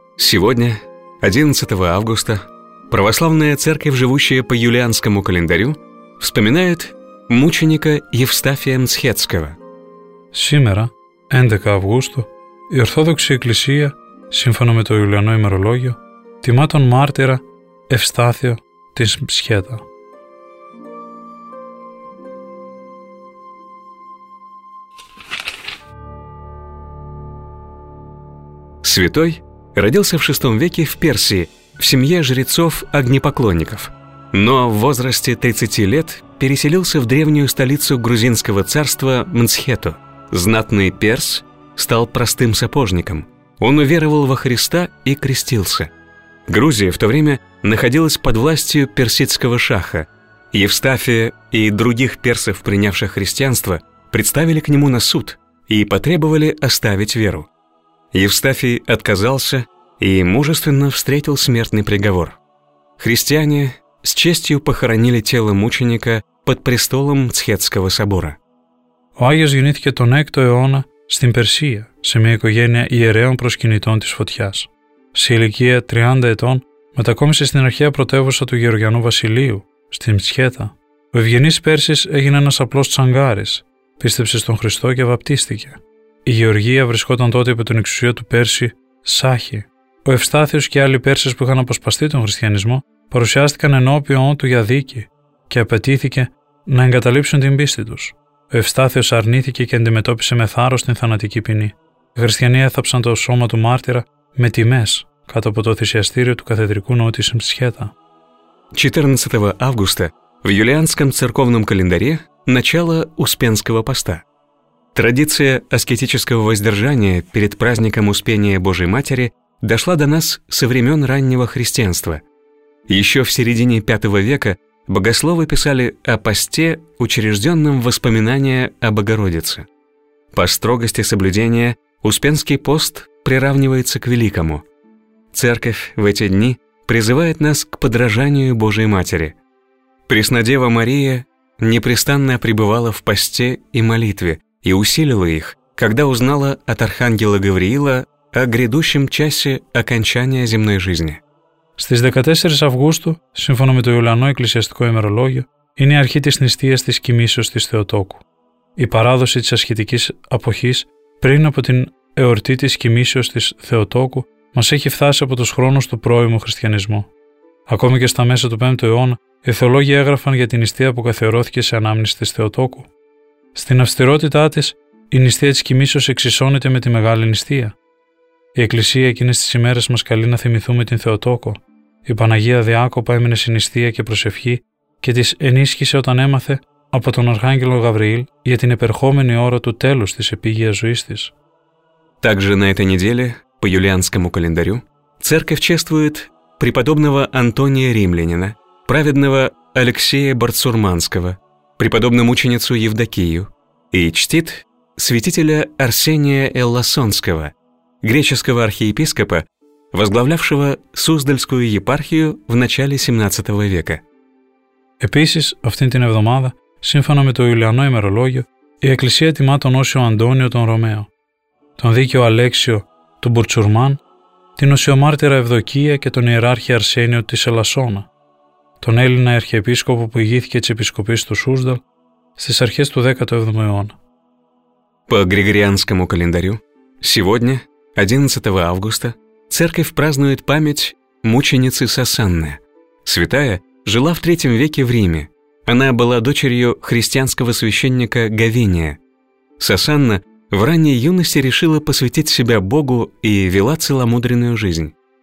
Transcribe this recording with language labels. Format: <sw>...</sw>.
<ru>Сегодня, 11 августа, православная церковь, живущая по юлианскому календарю, вспоминает мученика Евстафия Мцхетского. Сегодня, 11 августа,</ru> <el>η Ορθόδοξη Εκκλησία, σύμφωνα με το Ιουλιανό ημερολόγιο, τιμά τον μάρτυρα Ευστάθιο της Μσχέτα.</el> <ru>Святой родился в VI веке в Персии, в семье жрецов-огнепоклонников, но в возрасте 30 лет переселился в древнюю столицу грузинского царства Мцхету. Знатный перс стал простым сапожником. Он уверовал во Христа и крестился. Грузия в то время находилась под властью персидского шаха. Евстафия и других персов, принявших христианство, представили к нему на суд и потребовали оставить веру. Евстафий отказался и мужественно встретил смертный приговор. Христиане с честью похоронили тело мученика под престолом Мцхетского собора.</ru> <el>Ο Άγιος γεννήθηκε τον 6ο αιώνα στην Περσία, σε μια οικογένεια ιερέων προσκυνητών της Φωτιάς. Σε ηλικία 30 ετών, μετακόμισε στην αρχαία πρωτεύουσα του Γεωργιανού Βασιλείου, στην Μσχέτα. Ο ευγενής Πέρσης έγινε ένας απλός τσανγκάρης, πίστεψε στον Χριστό και βαπτίστηκε. Η Γεωργία βρισκόταν τότε υπό την εξουσία του Πέρση Σάχη. Ο Ευστάθιος και άλλοι Πέρσες που είχαν αποσπαστεί τον χριστιανισμό παρουσιάστηκαν ενώπιον του για δίκη και απαιτήθηκε να εγκαταλείψουν την πίστη τους. Ο Ευστάθιος αρνήθηκε και αντιμετώπισε με θάρρος την θανατική ποινή. Οι χριστιανοί έθαψαν το σώμα του μάρτυρα με τιμές κάτω από το θυσιαστήριο του καθεδρικού ναού της Μσχέτα. 14 Αύγουστα,</el> <ru>в юлианском церковном календаре, начало Успенского поста. Традиция аскетического воздержания перед праздником Успения Божьей Матери дошла до нас со времен раннего христианства. Еще в середине V века богословы писали о посте, учрежденном в воспоминание о Богородице. По строгости соблюдения Успенский пост приравнивается к великому. Церковь в эти дни призывает нас к подражанию Божьей Матери. Преснодева Мария непрестанно пребывала в посте и молитве и усилила их, когда узнала от архангела Гавриила о грядущем часе окончания земной жизни.</ru> <el>Στις 14 Αυγούστου, σύμφωνα με το Ιουλιανό Εκκλησιαστικό ημερολόγιο, είναι η αρχή της νηστείας της κοιμήσεως της Θεοτόκου. Η παράδοση της ασχητικής αποχής πριν από την εορτή της κοιμήσεως της Θεοτόκου μας έχει φτάσει από τους χρόνους του πρώιμου χριστιανισμού. Ακόμη και στα μέσα του 5ου αιώνα, οι θεολόγοι έγραφαν για την νηστεία που καθιερώθηκε σε ανάμνηση της Θεοτόκου. Στην αυστηρότητά της, η νηστεία της κοιμήσεως εξισώνεται με τη μεγάλη νηστεία. Η Εκκλησία εκείνες τις ημέρες μας καλεί να θυμηθούμε την Θεοτόκο. Η Παναγία διάκοπα έμεινε σε νηστεία και προσευχή και τις ενίσχυσε όταν έμαθε από τον Αρχάγγελο Γαβριήλ για την επερχόμενη ώρα του τέλους της επίγειας ζωής της.</el> <ru>Также на этой неделе, по юлианскому календарю, церковь чествует преподобного Антония Римлянина, праведного Алексея Барцурманского, преподобную мученицу Евдокию и чтит святителя Арсения Элласонского, греческого архиепископа, возглавлявшего Суздальскую епархию в начале 17 века.</ru> <el>Επίσης, αυτήν την εβδομάδα, σύμφωνα με το Ιουλιανό ημερολόγιο, η Εκκλησία τιμά τον Όσιο Αντώνιο τον Ρωμαίο, τον Δίκαιο Αλέξιο του Μπουρτσουρμάν, την Οσιομάρτυρα Ευδοκία και τον Ιεράρχη Αρσένιο της Ελασσόνα, τον Έλληνα αρχιεπίσκοπο που ηγήθηκε της επισκοπής του Σούσδαλ στις αρχές του 17ου αιώνα.</el> <ru>По Григорианскому календарю, сегодня, 11 августа, церковь празднует память мученицы Сосанны. Святая жила в III веке в Риме. Она была дочерью христианского священника Гавиния. Сосанна в ранней юности решила посвятить себя Богу и вела целомудренную жизнь.</ru>